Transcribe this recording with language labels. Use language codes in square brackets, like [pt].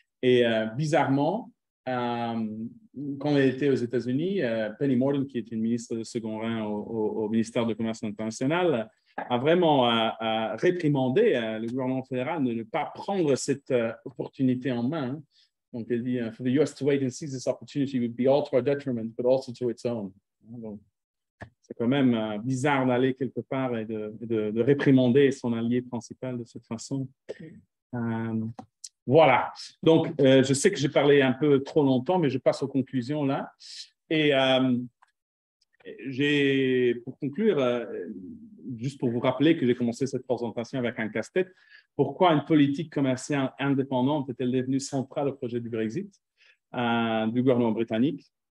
[fr] Et bizarrement, quand elle était aux États-Unis, Penny Mordaunt, qui est une ministre de second rang au ministère de commerce international, a vraiment réprimandé le gouvernement fédéral de ne pas prendre cette opportunité en main. Donc, elle dit [en] « For the US to wait and seize this opportunity would be all to our detriment, but also to its own ». [fr] C'est quand même bizarre d'aller quelque part et de réprimander son allié principal de cette façon. Voilà. Donc, je sais que j'ai parlé un peu trop longtemps, mais je passe aux conclusions là. Et j'ai, pour conclure, juste pour vous rappeler que j'ai commencé cette présentation avec un casse-tête, pourquoi une politique commerciale indépendante est-elle devenue centrale au projet du Brexit du gouvernement britannique?